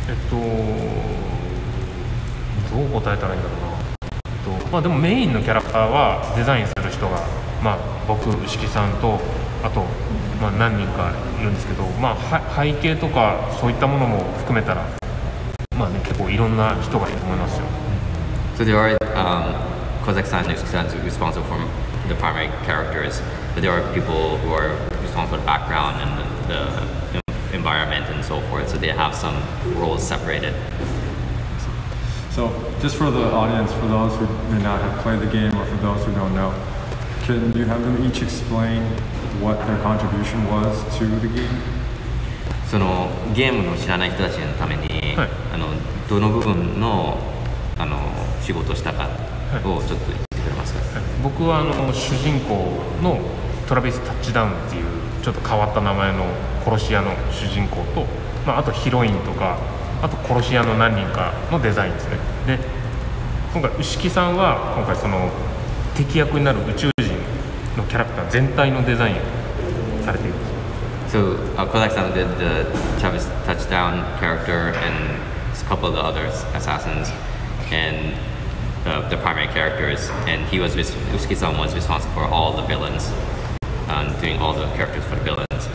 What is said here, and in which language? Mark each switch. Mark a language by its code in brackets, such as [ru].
[ja] どう答えたらいいんだろうな、まあ、でもメインのキャラクターはデザインする人が、まあ、僕、牛木さんとあと、まあ、何人かいるんですけど、まあ、背景とかそういったものも含めたら、まあね、結構いろんな人がいると思いますよ。 [en] So there are Kozaki and Yusuke are responsible for the primary characters, but there are people who are responsible for the background and the environment and so forth. So they have some roles separated. So just for the audience, for those who may not have played the game or for those who don't know, can you have them each explain what their contribution was to the game? [ja] そのゲームの知らない人たちのために、はい、あのどの部分のあの仕事をしたかをちょっと言ってくれますか。はい、僕はあの主人公のトラビス・タッチダウンっていうちょっと変わった名前の殺し屋の主人公と、まあ、あとヒロインとかあと殺し屋の何人かのデザインですね。で今回Ushikiさんは今回その敵役になる宇宙人のキャラクター全体のデザインをされています。 [en] So Kozaki さん did the Travis Touchdown character and a couple of the other assassins andthe primary characters, and he was Ushiki-san was responsible for all the villains, doing all the characters for the villains.